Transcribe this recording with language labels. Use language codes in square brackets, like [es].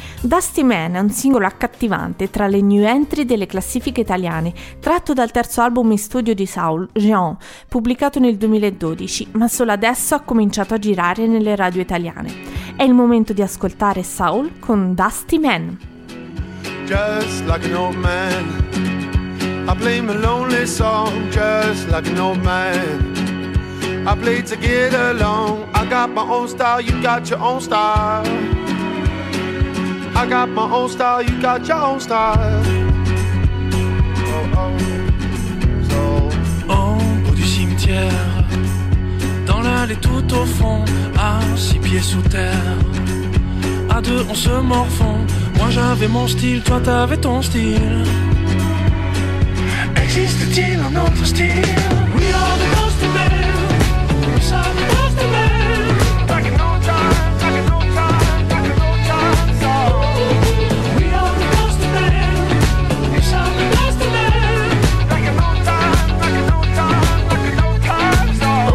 [it] Dusty Man è un singolo accattivante tra le new entry delle classifiche italiane, tratto dal terzo album in studio di Saul, Jean, pubblicato nel 2012, ma solo adesso ha cominciato a girare nelle radio italiane. È il momento di ascoltare Saul con Dusty Man. [en] Just like an old man, I play my lonely song. Just like an old man, I play to get along. I got my own style, you got your own style. I got my own style, you got your own style. Oh, oh. So. [fr] Ombre du cimetière, dans l'allée tout au fond, à six pieds sous terre, à deux on se morfond. Moi j'avais mon style, toi t'avais ton style. Existe-t-il un autre style? [en] We are the Dusty Men. [fr] Nous sommes the Dusty Men. [en] Back in no time, back in no time, back in no time, so. We are the Dusty Men. [fr] Nous sommes the Dusty Men. [en] Back in no time, back in no time, back in no time, so.